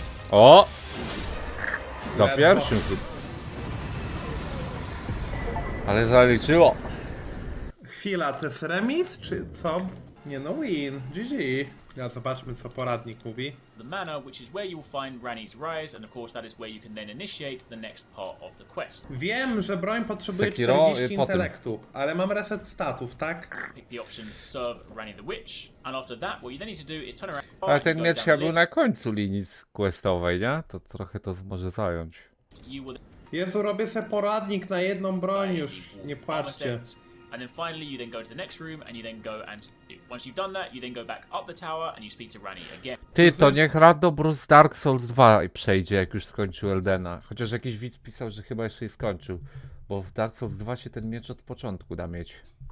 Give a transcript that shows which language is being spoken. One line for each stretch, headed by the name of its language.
Polish: O! Za ledwo. Pierwszym tu. Ale zaliczyło. Chwila, to jest remis, czy co? Nie no, win. GG. Ja zobaczmy, co poradnik mówi.
English: The manor, which is where you will find Rani's rise, and of course that is where you can then initiate the next part of the quest.
Polish: Wiem, że broń potrzebuje 40 intelektu, ale mam reset statów, tak?
English: Pick the option serve Rani the witch, and after that, what you then need to do is turn around.
Polish: Ale ten miecz chyba był na końcu linii questowej, nie? To trochę to może zająć. Jezu, robię sobie poradnik na jedną broń już, nie płaczcie. And then finally you then go to the next room and you then go and once you've done that you then go back up the tower and you speak to Rani again. Ty to niech Rado Bruce Dark Souls 2 przejdzie jak już skończył Eldena. Chociaż jakiś widz pisał, że chyba jeszcze nie skończył, bo w Dark Souls 2 się ten miecz od początku da mieć.